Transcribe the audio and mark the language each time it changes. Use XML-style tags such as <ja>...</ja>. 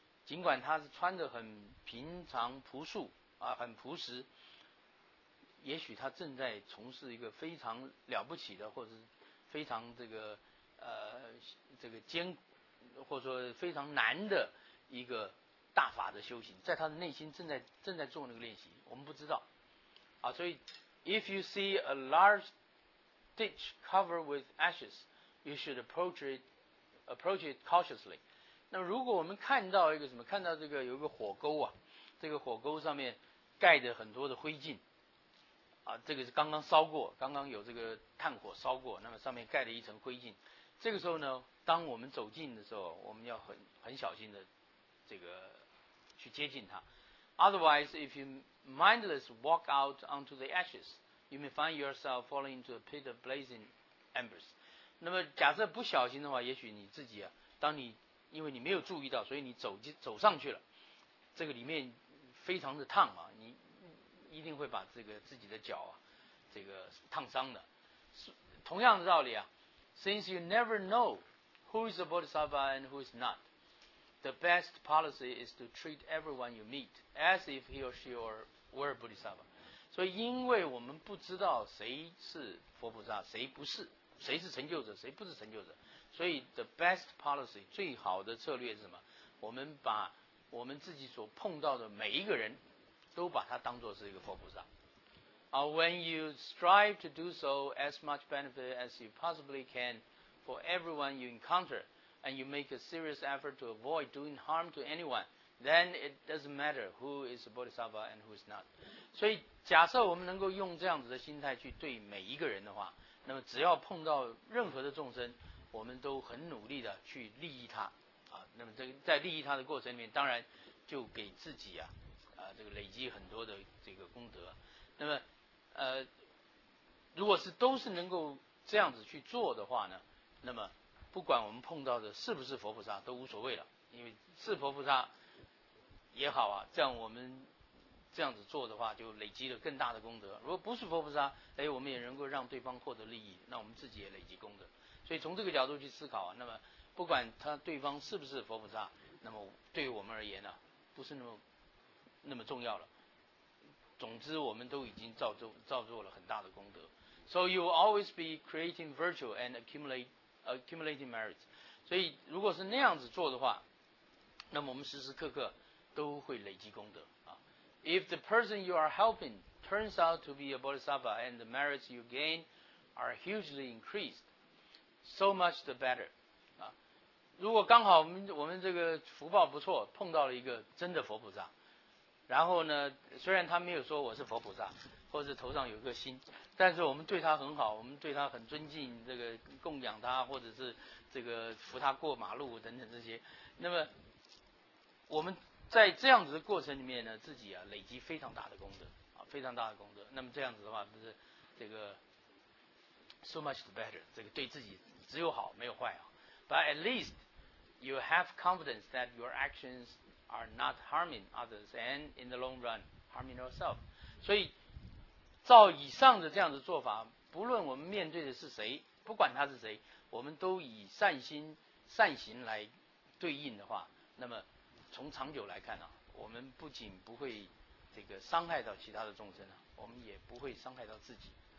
<zh>尽管他是穿得很平常朴素啊，很朴实，也许他正在从事一个非常了不起的，或者是非常这个这个艰，或者说非常难的一个大法的修行，在他的内心正在做那个练习，我们不知道啊。所以</zh> <en>，if you see a large ditch covered with ashes, you should approach it cautiously.</en> <zh>那如果我们看到一个什么？看到这个有一个火沟啊，这个火沟上面盖着很多的灰烬，啊，这个是刚刚烧过，刚刚有这个炭火烧过，那么上面盖了一层灰烬。这个时候呢，当我们走近的时候，我们要很小心的这个去接近它。</zh> <en>Otherwise, if you mindless walk out onto the ashes, you may find yourself falling into a pit of blazing embers.</en> <zh>那么假设不小心的话，也许你自己啊，当你因为你没有注意到，所以你走上去了，这个里面非常的烫啊，你一定会把这个自己的脚啊，这个烫伤的。同样的道理啊</zh> <en>，since you never know who is a bodhisattva and who is not, the best policy is to treat everyone you meet as if he or she were a bodhisattva。</en> <zh>所以，因为我们不知道谁是佛菩萨，谁不是，谁是成就者，谁不是成就者。所以</zh> <en>the best policy</en> <zh>最好的策略是什么？我们把我们自己所碰到的每一个人都把它当作是一个佛菩萨。</zh> <en>When you strive to do so as much benefit as you possibly can for everyone you encounter and you make a serious effort to avoid doing harm to anyone, then it doesn't matter who is a bodhisattva and who is not.</en> <zh>所以假设我们能够用这样子的心态去对每一个人的话，那么只要碰到任何的众生，我们都很努力的去利益他啊，那么这个在利益他的过程里面，当然就给自己啊这个累积很多的这个功德。那么如果是都是能够这样子去做的话呢，那么不管我们碰到的是不是佛菩萨都无所谓了，因为是佛菩萨也好啊，这样我们这样子做的话就累积了更大的功德。如果不是佛菩萨，哎，我们也能够让对方获得利益，那我们自己也累积功德。所以从这个角度去思考，那么不管他对方是不是佛菩萨，那么对于我们而言呢、啊，不是那么重要了。总之，我们都已经造作了很大的功德。</zh> <en>So you will always be creating virtue and accumulating merits.</en> <zh>所以如果是那样子做的话，那么我们时时刻刻都会累积功德啊。</zh> <en>If the person you are helping turns out to be a bodhisattva and the merits you gain are hugely increased. So much the better.</en> <zh>如果刚好我们这个福报不错，碰到了一个真的佛菩萨，然后呢，虽然他没有说我是佛菩萨，或者头上有个心，但是我们对他很好，我们对他很尊敬，这个供养他，或者是这个扶他过马路等等这些，那么我们在这样子的过程里面呢，自己啊累积非常大的功德啊，非常大的功德。那么这样子的话，不是这个。</zh> <en>So much the better.</en> <zh>这个对自己只有好没有坏啊。</zh> <en>But at least you have confidence that your actions are not harming others and in the long run harming yourself.</en> <zh>所以照以上的这样的做法，不论我们面对的是谁，不管他是谁，我们都以善心善行来对应的话，那么从长久来看啊，我们不仅不会这个伤害到其他的众生啊，我们也不会伤害到自己。</zh>